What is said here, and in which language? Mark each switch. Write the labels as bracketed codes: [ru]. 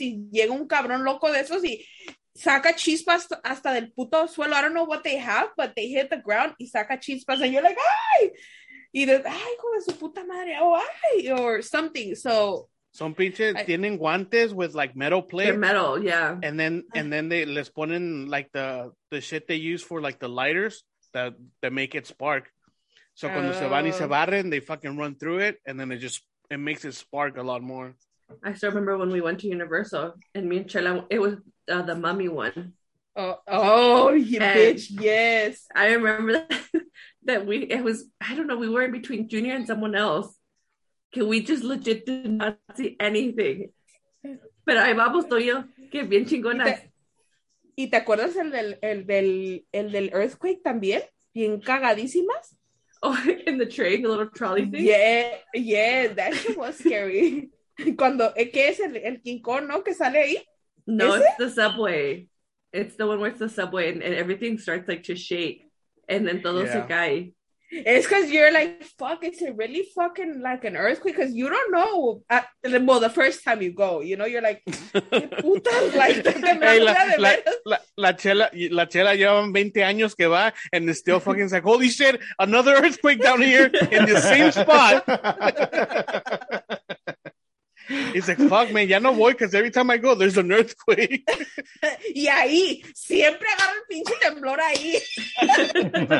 [es] Y llega un cabrón loco de esos y saca chispas hasta del puto suelo. [en] I don't know what they have, but they hit the ground [es] y saca chispas. [en] And you're like, ay! [es] Y de, ay, hijo de su puta madre, oh, ay! [en] Or something, so... [es] Son pinches, tienen guantes [en] with like metal plates. They're metal, yeah. And then they [es] les ponen [en] like the shit they use for like the lighters that make it spark. So [es] cuando se van y se barren, [en] they fucking run through it and then it makes it spark a lot more. I still remember when we went to Universal and me and Chela, it was the mummy one. Oh, you bitch, yes. I remember we were in between Junior and someone else. Can we just legit do not see anything? [es] Pero ahí vamos tú y yo, que bien chingona. ¿Y te acuerdas el del earthquake también? Bien cagadísimas. [en] Oh, in the train, the little trolley thing. Yeah, that shit was scary. [es] Cuando, ¿qué es el King Kong, no? Que sale ahí. [en] No, ¿ese? It's the subway. It's the one where it's the subway and everything starts like to shake. And then [es] todo se cae. [en] It's because you're like, fuck, is it really fucking like an earthquake? Because you don't know. Well, the first time you go, you know, you're like, puta, like, [es] hey, la chela llevan 20 años que va, [en] and it's still fucking like, holy shit, another earthquake down here in the same spot. It's like, fuck, man, [es] ya no voy, [en] because every time I go, there's an earthquake. [es] Y ahí, siempre agarra el pinche temblor ahí.